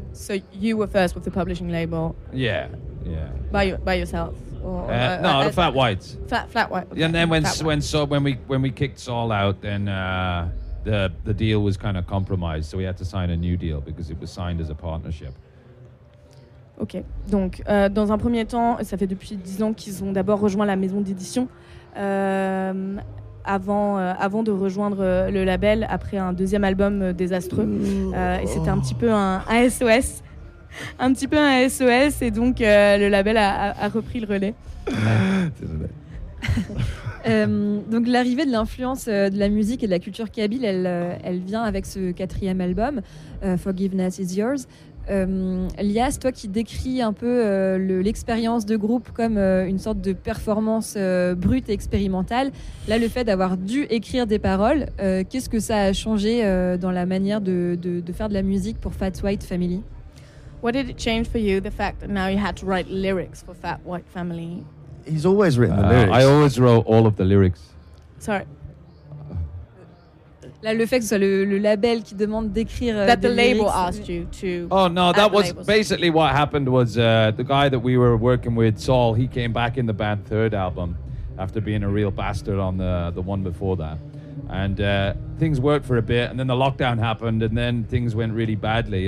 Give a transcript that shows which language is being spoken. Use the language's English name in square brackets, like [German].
[English] So you were first with the publishing label. Yeah. By yourself. The Fat Whites. Flat White. Okay. And then when we kicked Saul out, then the deal was kind of compromised, so we had to sign a new deal because it was signed as a partnership. [French] Ok, donc dans un premier temps, ça fait depuis 10 ans qu'ils ont d'abord rejoint la maison d'édition. Avant de rejoindre le label après un deuxième album désastreux. Et c'était un petit peu un SOS, et donc le label a repris le relais. Donc l'arrivée de l'influence de la musique et de la culture kabyle, elle vient avec ce quatrième album, Forgiveness is Yours. Lias, toi qui décris un peu l'expérience de groupe comme une sorte de performance brute et expérimentale, là le fait d'avoir dû écrire des paroles, qu'est-ce que ça a changé dans la manière de faire de la musique pour Fat White Family? [English] What did it change for you, the fact that now you had to write lyrics for Fat White Family? He's always written the lyrics. I always wrote all of the lyrics. Sorry. [French] Là, le fait que ce soit le label qui demande d'écrire [English] that the label asked you to. Oh no, that was basically what happened was the guy that we were working with, Saul, he came back in the band third album after being a real bastard on the one before that. And things worked for a bit, and then the lockdown happened, and then things went really badly.